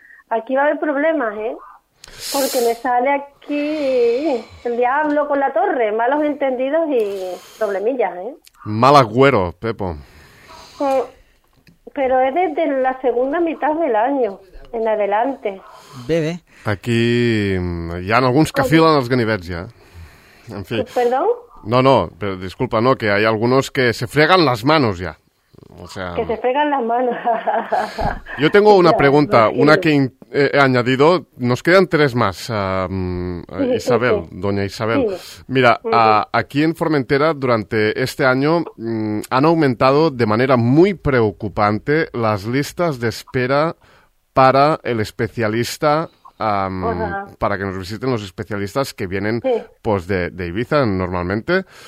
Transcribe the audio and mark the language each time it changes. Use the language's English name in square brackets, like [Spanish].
[Spanish] Aquí va a haber problemas, Porque me sale aquí el diablo con la torre, malos entendidos y problemillas, Mal agüero, Pepo. Pero es desde la segunda mitad del año, en adelante. Bebe. [Catalan] Aquí hi ha alguns que filen els ganivets, ja. En fi. [Spanish] ¿Perdón? No, no, pero disculpa, no, que hay algunos que se fregan las manos ya. O sea, que se fregan las manos. Yo tengo una pregunta, una que he añadido. Nos quedan tres más, Isabel, doña Isabel. Mira, aquí en Formentera durante este año han aumentado de manera muy preocupante las listas de espera para el especialista, para que nos visiten los especialistas que vienen pues de Ibiza normalmente.